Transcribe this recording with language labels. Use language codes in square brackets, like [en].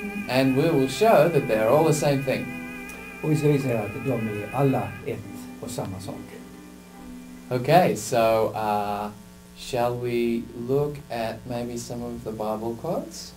[en] And we will show that they are all the same thing. [sv] Och vi ska visa att de är alla ett och samma sak. [en] Okay, so shall we look at maybe some of the Bible quotes?